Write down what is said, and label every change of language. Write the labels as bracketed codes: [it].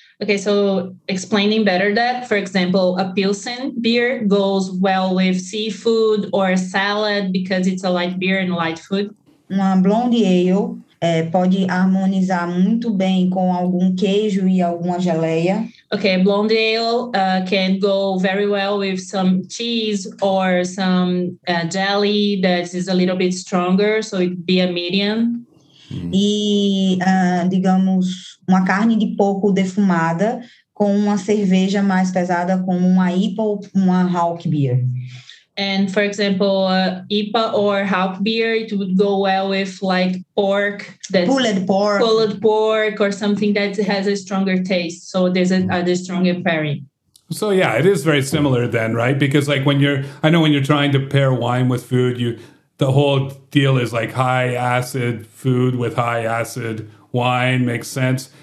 [en] Okay, so explaining better that, for example, a Pilsen beer goes well with seafood or salad because it's a light beer and light food. [pt] Uma blonde ale pode harmonizar muito bem com algum queijo e alguma geleia. [en] Okay, blonde ale can go very well with some cheese or some jelly that is a little bit stronger, so it'd be a medium. [pt] E, digamos, uma carne de porco defumada com uma cerveja mais pesada como uma IPA ou uma Hauk beer. [en] And for example, IPA or hop beer, it would go well with like pork. Pulled pork or something that has a stronger taste. So there's a stronger pairing. So yeah, it is very similar then, right? Because like when you're trying to pair wine with food, the whole deal is like high acid food with high acid wine makes sense.